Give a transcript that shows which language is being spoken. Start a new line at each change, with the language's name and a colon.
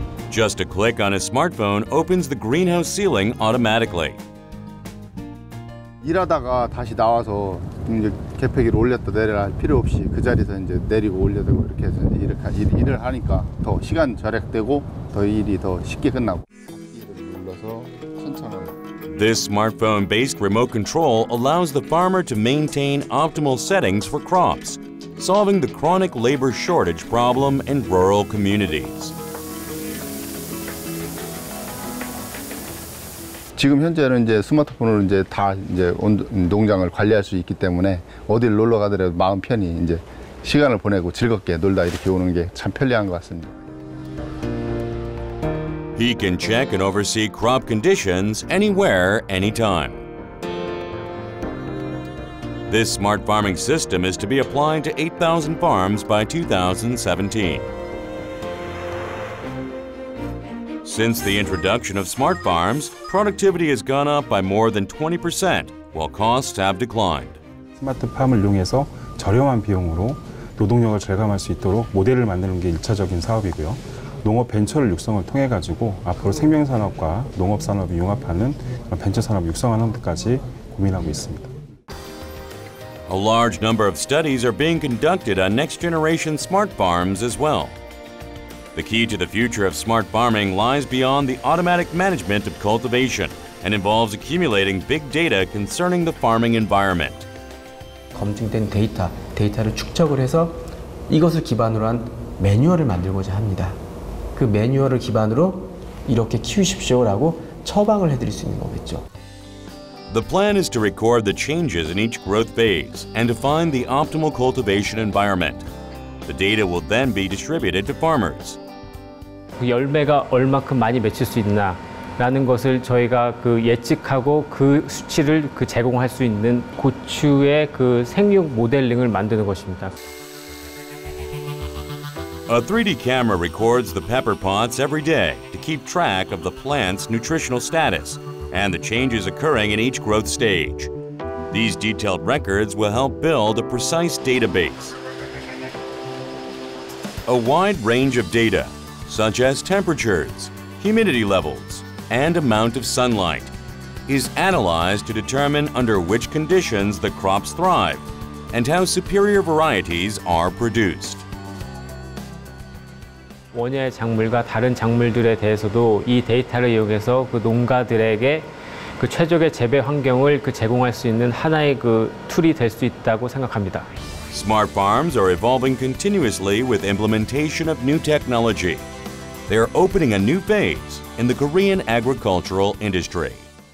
English: Just a click on his smartphone opens the greenhouse ceiling automatically.
Korean: 일하다가 다시 나와서 이제 개폐기를 올렸다 내려라 할 필요 없이 그 자리에서 이제 내리고 올려두고 이렇게 해서 이렇게 일을 하니까 더 시간 절약되고 더 일이 더 쉽게 끝나고.
English: This smartphone-based remote control allows the farmer to maintain optimal settings for crops, solving the chronic labor shortage problem in rural communities.
Korean: 지금 현재는 이제 스마트폰으로 이제 다 이제 농장을 관리할 수 있기 때문에 어딜 놀러 가더라도 마음 편히 이제 시간을 보내고 즐겁게 놀다 이렇게 오는 게 참 편리한 것 같습니다.
English: He can check and oversee crop conditions anywhere, anytime. This smart farming system is to be applied to 8,000 farms by 2017. Since the introduction of smart farms, productivity has gone up by more than 20%, while costs have declined.
Korean: 스마트팜을 이용해서 저렴한 비용으로 노동력을 절감할 수 있도록 모델을 만드는 게 1차적인 사업이고요. 농업 벤처를 육성을 통해 가지고 앞으로 생명산업과 농업산업이 융합하는 벤처산업 육성하는 것까지 고민하고 있습니다.
English: A large number of studies are being conducted on next generation smart farms as well. The key to the future of smart farming lies beyond the automatic management of cultivation and involves accumulating big data concerning the farming environment.
Korean: 검증된 데이터를 축적을 해서 이것을 기반으로 한 매뉴얼을 만들고자 합니다. 그 매뉴얼을 기반으로 이렇게 키우십시오라고 처방을 해드릴 수 있는 거겠죠.
English: The plan is to record the changes in each growth phase and define the optimal cultivation environment. The data will then be distributed to farmers.
Korean: 그 열매가 얼마큼 많이 맺힐 수 있나라는 것을 저희가 그 예측하고 그 수치를 그 제공할 수 있는 고추의 그 생육 모델링을 만드는 것입니다.
English: A 3D camera records the pepper pots every day to keep track of the plant's nutritional status and the changes occurring in each growth stage. These detailed records will help build a precise database. A wide range of data, such as temperatures, humidity levels, and amount of sunlight, is analyzed to determine under which conditions the crops thrive and how superior varieties are produced.
Korean: 원예 작물과 다른 작물들에 대해서도 이 데이터를 이용해서 그 농가들에게 그 최적의 재배 환경을 그 제공할 수 있는 하나의 그 툴이 될 수 있다고 생각합니다.
English: Smart farms are evolving continuously with implementation of new technology. They are opening a new phase in the Korean agricultural industry.